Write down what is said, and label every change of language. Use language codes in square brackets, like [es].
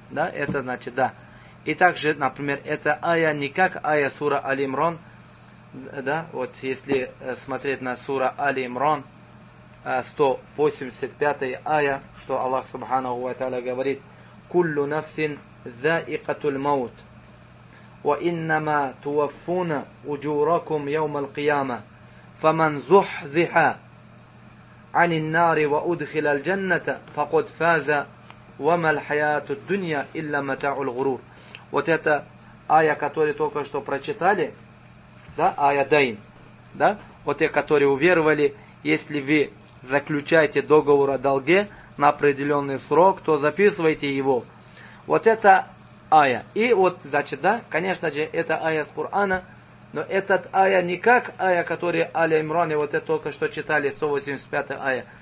[ru] Да, это значит да. И также, например, это ая не как ая сура Али-Имрон. Да, вот если смотреть на сура Али-Имрон, 185 ая, что Аллах Субхану ва Тааля говорит: [ar] «Куллю нафсин заикатул маут». وإنما توفون أجوركم يوم القيامة فمن زحزح عن النار وأدخل الجنة فقد فاز وما الحياة الدنيا إلا متاع الغرور. [ru] Вот это ая, которую только что прочитали, да, ая Дайн, да, вот те, которые уверовали, если вы заключаете договор о долге на определенный срок, то записывайте его. Вот это ая. И вот, значит, да, конечно же, это ая с Кур'ана, но этот ая не как ая, который Али-Имран, и вот это только что читали, 185 ая.